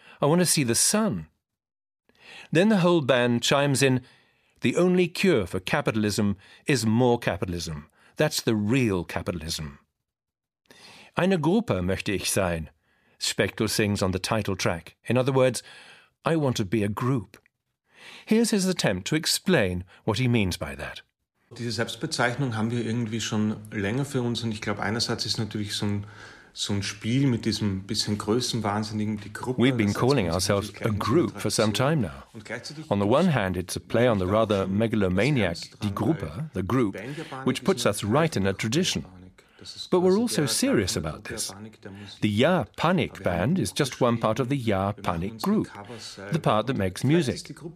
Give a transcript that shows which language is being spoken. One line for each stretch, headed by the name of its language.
English: I want to see the sun. Then the whole band chimes in, the only cure for capitalism is more capitalism. That's the real capitalism.
German: Eine Gruppe möchte ich sein.
English: Spechtel sings on the title track. In other words, I want to be a group. Here's his attempt to explain what he means by that.
German: Diese Selbstbezeichnung haben wir irgendwie schon länger für uns. Und ich glaube, einerseits ist natürlich so ein Spiel mit diesem bisschen Größenwahnsinnigen, die Gruppe.
English: We've been calling ourselves a group for some time now. On the one hand, it's a play on the rather megalomaniac Die Gruppe, the group, which puts us right in a tradition. But we're also serious about this. The Ja Panik band is just one part of the Ja Panik group, the part that makes music.